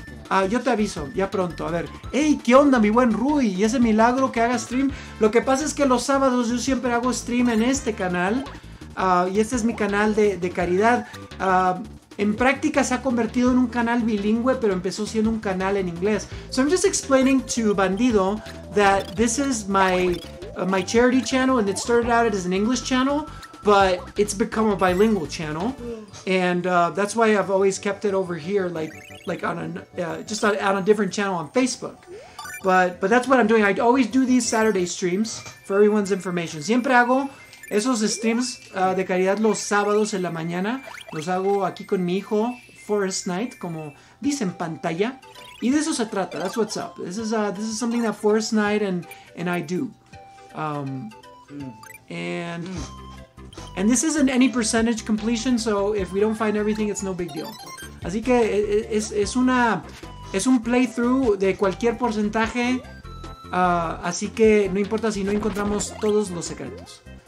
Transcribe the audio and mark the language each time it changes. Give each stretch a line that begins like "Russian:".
Spanish: Ah, yo te aviso, ya pronto. A ver, hey, ¿qué onda, mi buen Rui? ¿Y ese milagro que haga stream? Lo que pasa es que los sábados yo siempre hago stream en este canal. Y este es mi canal de caridad. En práctica se ha convertido en un canal bilingüe, pero empezó siendo un canal en inglés.
English: So I'm just explaining to Bandido that this is my charity channel, and it started out as an English channel, but it's become a bilingual channel. And that's why I've always kept it over here, like on a different channel on Facebook. But that's what I'm doing. I always do these Saturday streams for everyone's information.
Spanish: Siempre hago esos streams de caridad los sábados en la mañana. Los hago aquí con mi hijo, Forest Knight, como dice en pantalla. Y de eso se trata.
English: That's what's up. This is something that Forest Knight and I do. And this isn't any percentage completion, so if we don't find everything, it's no big deal.
Spanish: Así que es un playthrough de cualquier porcentaje, así que no importa si no encontramos todos los secretos.